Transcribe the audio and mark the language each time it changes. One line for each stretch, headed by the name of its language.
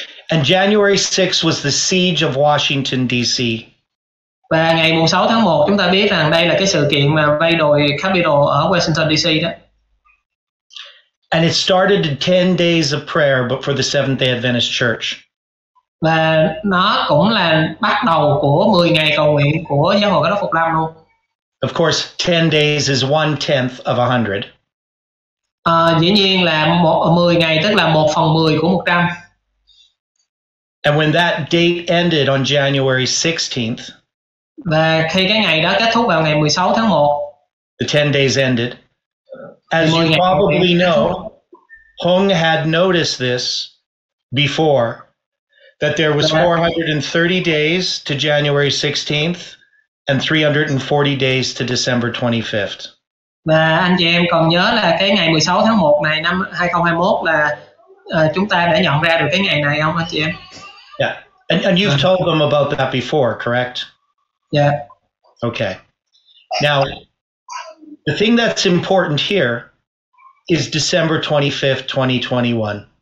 English: And January 6th was the siege of Washington, D.C.
Vietnamese: Và ngày 6 tháng 1 chúng ta biết rằng đây là cái sự kiện mà vây đồi Capitol ở Washington, D.C. đó.
English: And it started 10 days of prayer, but for the Seventh-day Adventist Church.
Vietnamese: Và nó cũng là bắt đầu của 10 ngày cầu nguyện của Giáo hội Cơ đốc Phục Lâm luôn.
English: Of course, 10 days is 1/10 of 100.
Vietnamese: Dĩ nhiên là 10 ngày tức là 1 phần 10 của 100.
English: And when that date ended on January 16th,
Vietnamese: và khi cái ngày đó kết thúc vào ngày 16 tháng 1,
English: the 10 days ended. As you probably know, Hung had noticed this before, that there was 430 days to January 16th and 340 days to December 25th.
Vietnamese: Và anh chị em còn nhớ là cái ngày 16 tháng 1 này năm 2021 là chúng ta đã nhận ra được cái ngày này không anh chị em?
English: Yeah, and you've told them about that before, correct? Yeah. Okay. Now, the thing that's important here is December 25th, 2021.